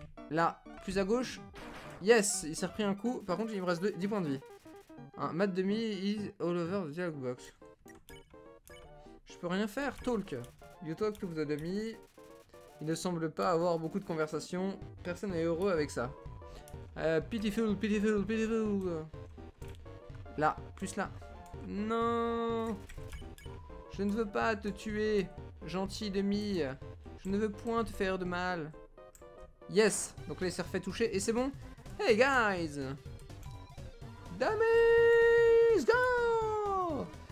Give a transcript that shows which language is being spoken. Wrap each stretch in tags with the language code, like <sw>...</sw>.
<fr>Là, plus à gauche. Yes, il s'est repris un coup. Par contre, il me reste 10 points de vie. Hein,</fr> <en>Mad Nemi is all over the dialogue box.</en> <fr>Je peux rien faire. Talk.</fr> <en>You talk to the Nemi.</en> <fr>Il ne semble pas avoir beaucoup de conversations. Personne n'est heureux avec ça.</fr> <en>Pitiful, pitiful, pitiful.</en> <fr>Là, plus là. Non. Je ne veux pas te tuer, gentil Nemi. Je ne veux point te faire de mal. Yes, donc là il s'est refait toucher et c'est bon.</fr> <en>Hey guys, Damis, go.</en>